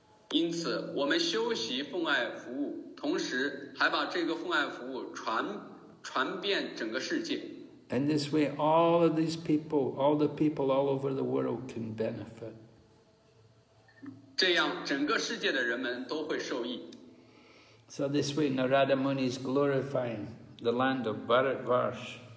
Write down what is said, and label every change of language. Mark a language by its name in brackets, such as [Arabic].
[Chinese] 因此我们修习奉爱服务，同时还把这个奉爱服务 传遍整个世界。 [English] And this way, all of these people, all the people all over the world can benefit. [Chinese] 这样整个世界的人们都会受益。 [English] So this way, Narada Muni is glorifying the land of Bharatvarsha.